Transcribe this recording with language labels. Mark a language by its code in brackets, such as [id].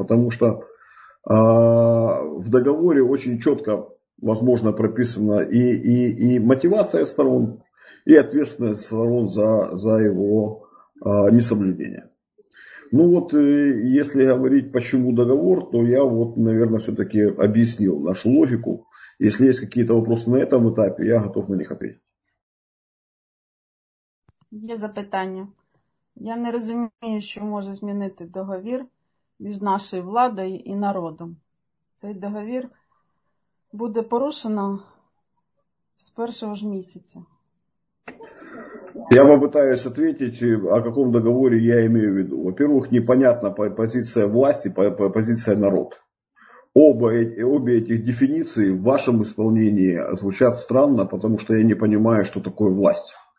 [ru] Потому что в договоре очень четко, возможно, прописана и мотивация сторон, и ответственность сторон за его несоблюдение. Ну вот, если говорить, почему договор, то я вот, наверное, все-таки объяснил нашу логику. Если есть какие-то вопросы на этом этапе, я готов на них ответить. [uk] Є запитання. Я не розумію, що може змінити договір між нашою владою і народом. Цей договір буде порушено з першого ж місяця. [ru] Я попытаюсь ответить, о каком договоре я имею в виду. Во-первых, непонятна позиция власти, позиция народ. Обе этих дефиниции в вашем исполнении звучат странно, потому что я не понимаю, что такое власть.